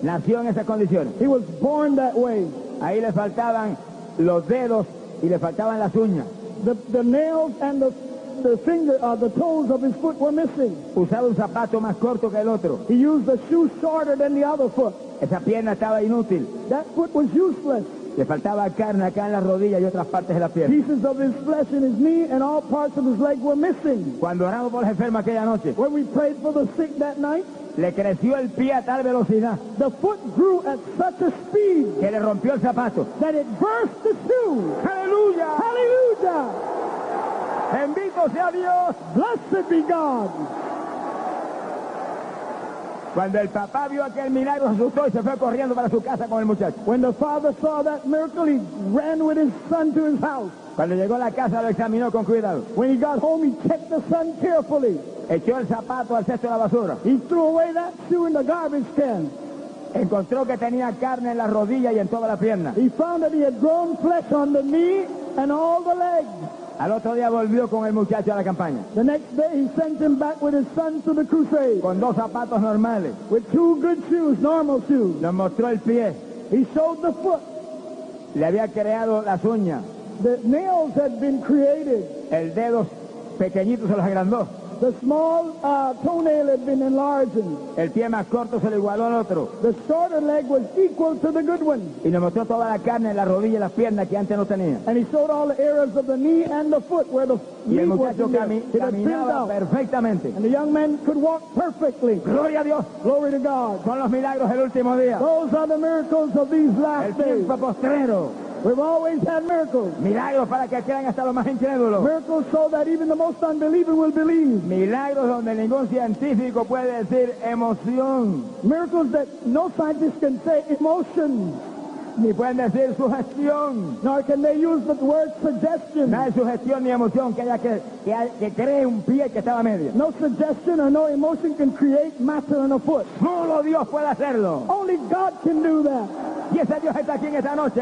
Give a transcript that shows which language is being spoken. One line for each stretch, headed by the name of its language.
Spanish: Nació en esas condiciones.
English: He was born that way.
Spanish: Ahí le faltaban los dedos y le faltaban las uñas.
English: The nails and the toes of his foot were missing.
Spanish: Usaba un zapato más corto que el otro.
English: He used a shoe shorter than the other foot.
Spanish: Esa pierna estaba inútil.
English: That foot was useless.
Spanish: Le faltaba carne acá en la rodilla y otras partes de la pierna.
English: Pieces of his flesh in his knee and all parts of his leg were missing.
Spanish: Cuando oramos por el enfermo aquella noche.
English: When we prayed for the sick that night.
Spanish: Le creció el pie a tal velocidad.
English: The foot grew at such a speed.
Spanish: Que le rompió el zapato.
English: That it burst the shoe.
Spanish: Aleluya. Aleluya. Bendito sea Dios.
English: Blessed be God.
Spanish: Cuando el papá vio aquel milagro, se asustó y se fue corriendo para su casa con el muchacho.
English: When the father saw that miracle, he ran with his son to his house.
Spanish: Cuando llegó a la casa, lo examinó con cuidado.
English: When he got home, he checked the son carefully.
Spanish: Echó el zapato al cesto de la basura.
English: He threw away that shoe in the garbage can.
Spanish: Encontró que tenía carne en la rodilla y en toda la pierna.
English: He found that he had grown flesh on the knee and all the legs.
Spanish: Al otro día volvió con el muchacho a la campaña.
English: The next day he sent him back with his son to the crusade.
Spanish: Con dos zapatos normales.
English: With two good shoes, normal shoes.
Spanish: Le mostró el pie.
English: He showed the foot.
Spanish: Le había creado las uñas.
English: The nails had been created.
Spanish: El dedo pequeñito se los agrandó.
English: The small toenail had been enlarged.
Spanish: El pie más corto se le igualó al otro.
English: The shorter leg was equal to the good one.
Spanish: Y nos mostró toda la carne, la rodilla y la pierna que antes no tenía.
English: And he showed all the areas of the knee and the foot where the knee
Spanish: was. Y el muchacho caminaba perfectamente.
English: And the young man could walk perfectly.
Spanish: Gloria a Dios.
English: Glory to God.
Spanish: Son los milagros del último día.
English: Those are the miracles of these last days.
Spanish: El tiempo postrero.
English: We've always had miracles.
Spanish: Milagros para que crean hasta los más incrédulos.
English: Miracles so that even the most unbelieving will believe.
Spanish: Milagros donde ningún científico puede decir emoción.
English: Miracles that no scientist can say emotion.
Spanish: Ni pueden decir sugestión.
English: Nor can they use the word suggestion.
Spanish: No hay sugestión ni emoción que haya que cree un pie que estaba medio.
English: No suggestion or no emotion can create matter in a foot.
Spanish: Solo Dios puede hacerlo.
English: Only God can do that.
Spanish: Y ese Dios está aquí en esta noche.